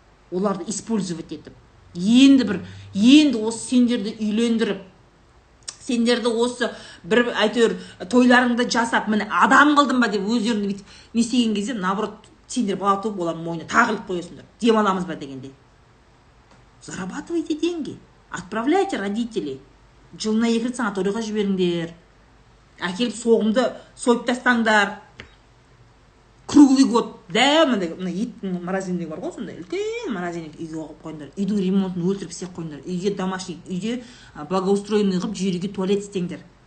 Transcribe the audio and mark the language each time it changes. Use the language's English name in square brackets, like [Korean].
[Kazakh] Оларды использовать етіп енді осы сендерді үйлендіріп, сендерді осы бір әйтеуір тойларыңды жасап міне адам қылдым ба деп өздеріңді бүйтіп не істеген кезде наоборот сендер бала туып олардың мойнына тағы іліп қоясыңдар. Дем аламыз ба дегенде. [Russian] Зарабатывайте деньги, отправляйте родителей. [Kazakh] Жылына екі рет санаторийға жіберіңдер, әкеліп соғымды сойып тастаңдар. [Russian] Круглый год [Kazakh] мына еттің морозильнигі бар ғой, сондай үлкен морозильник үйге қойып қойыңдар. Үйдің ремонтын өлтіріп істеп қойыңдар. Үйге домашний, үйге благоустроенный қылып жүйреге туалет істеңдер.